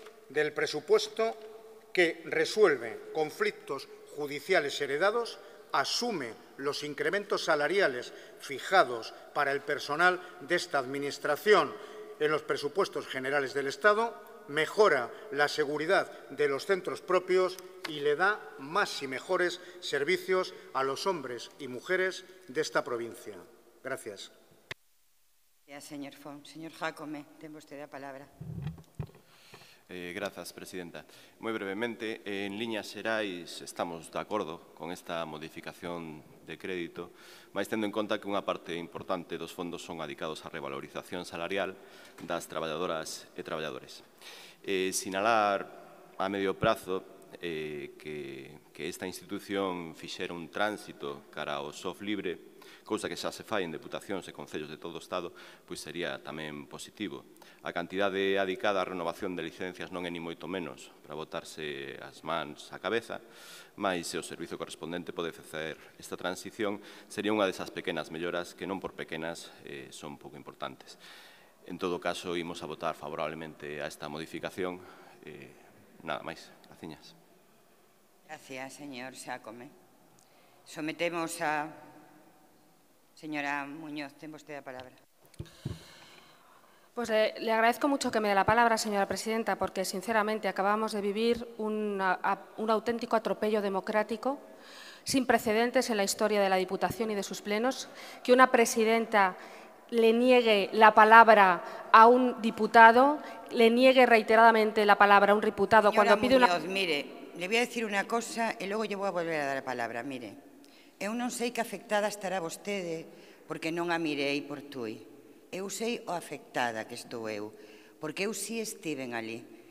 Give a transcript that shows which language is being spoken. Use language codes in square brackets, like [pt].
[es] del presupuesto que resuelve conflictos judiciales heredados, asume los incrementos salariales fijados para el personal de esta Administración en los presupuestos generales del Estado, mejora la seguridad de los centros propios y le da más y mejores servicios a los hombres y mujeres de esta provincia. Gracias. Gracias, señor Font. Señor Jácome, tengo usted la palabra. Gracias, presidenta. Muy brevemente, [gl] en líneas xerais estamos de acordo con esta modificación de crédito, máis tendo en conta que unha parte importante dos fondos son adicados á revalorización salarial das traballadoras e traballadores. Sinalar a medio prazo que esta institución fixera un tránsito cara ao soft libre, cousa que xa se fai en deputacións e concellos de todo o Estado, pois sería tamén positivo. A cantidade adicada á renovación de licencias non é ni moito menos para botarse as mans á cabeza, mas se o servizo correspondente pode facer esta transición, sería unha desas pequenas melloras que non por pequenas son pouco importantes. En todo caso, íbamos a votar favorablemente a esta modificación. Nada máis. Graciñas. [es] Gracias, señor Xácome. Sometemos a... [gl] Señora Muñoz, ten vostede a palabra. [es] Pues le agradezco mucho que me dé la palabra, señora presidenta, porque, sinceramente, acabamos de vivir un auténtico atropello democrático sin precedentes en la historia de la Diputación y de sus plenos. Que una presidenta le niegue la palabra a un diputado, le niegue reiteradamente la palabra a un diputado señora cuando pide Muñoz, una... Señora mire, le voy a decir una cosa y luego yo voy a volver a dar la palabra. Mire, yo no sé qué afectada estará usted porque no la mire y por tuy. [gl] Eu sei o afectada que estou eu, porque eu sí estive ali.